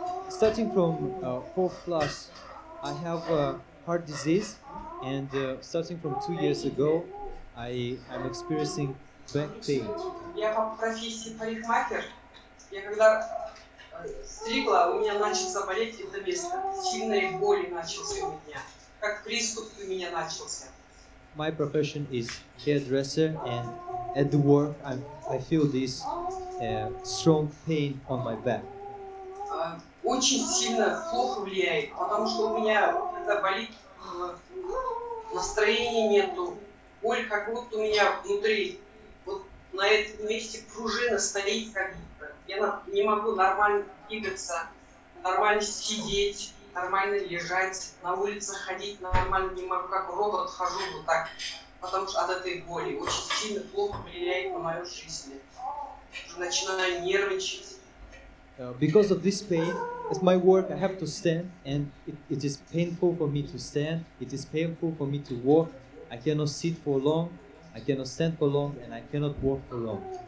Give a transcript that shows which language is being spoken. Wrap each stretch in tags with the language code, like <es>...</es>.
<en>Starting from 4th class, I have heart disease, and starting from 2 years ago, I am experiencing back pain.</en> <ru>Я по профессии парикмахер. Я когда стригла, у меня начался болеть это место. Сильные боли начался у меня. Как приступ у меня начался.</ru> <en>My profession is hairdresser, and at the work, I feel this strong pain on my back.</en> <ru>Очень сильно плохо влияет, потому что у меня это болит, настроения нету, боль как будто у меня внутри, вот на этом месте пружина стоит как-то. Я не могу нормально двигаться, нормально сидеть, нормально лежать, на улице ходить нормально не могу, как робот хожу вот так, потому что от этой боли очень сильно плохо влияет на мою жизнь. Уже начинаю нервничать.</ru> <en>Because of this pain, it's my work, I have to stand, and it is painful for me to stand, it is painful for me to walk, I cannot sit for long, I cannot stand for long, and I cannot walk for long.</en>